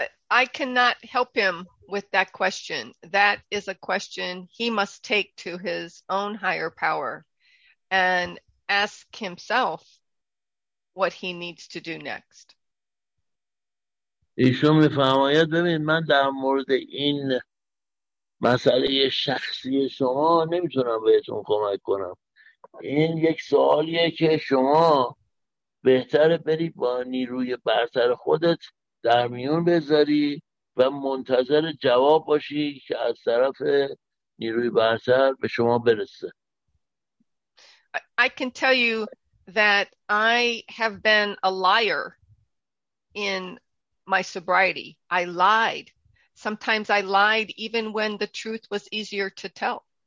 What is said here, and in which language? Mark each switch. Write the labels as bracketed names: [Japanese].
[English] I cannot help him with that question. That is a question he must take to his own higher power and ask himself what he needs to do next. [Persian] ایشون میفرماید ببین من در مورد این مسئله شخصی شما نمیتونم بهتون کمک کنم. این یک سوالیه که شما بهتره بری با نیروی برتر خودت در میون بذاری و منتظر جواب باشی که از طرف نیروی برتر به شما برسه. [English] I can tell you that I have been a liar in my sobriety. I lied. Sometimes I lied even when the truth was easier to tell.